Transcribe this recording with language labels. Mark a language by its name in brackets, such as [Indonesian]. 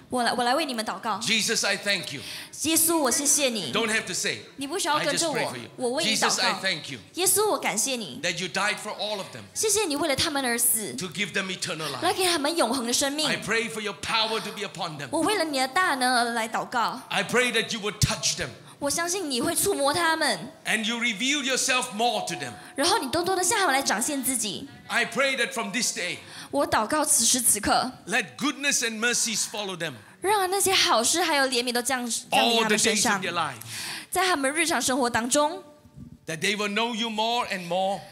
[Chinese] 我来为你们祷告。 [English] Jesus, I thank you. [Chinese] 耶稣，我谢谢你。 [English] Don't have to say. [Chinese] 你不需要跟着我。 [English] I just pray for you. [Chinese] 我为你祷告。 [English] Jesus, I thank you. [Chinese] 耶稣，我感谢你。 [English] That you died for all of them. [Chinese] 谢谢你为了他们而死。 [English] To give them eternal life. [Chinese] 来给他们永恒的生命。 [English] I pray for your power to be upon them. [Chinese] 我为了你的大能而来祷告。 [English] I pray that you would touch them. [Chinese] 我相信你会触摸他们。 [English] And you reveal yourself more to them. [Chinese] 然后你多多的向他们来展现自己。 [English] I pray that from this day. [Chinese] 我祷告此时此刻。 [English] Let goodness and mercies follow them. [Chinese] 让那些好事还有怜悯都降临他们身上。 [English] All the days of their life. [Chinese] 在他们日常生活当中。 [English] That they will know you more and more.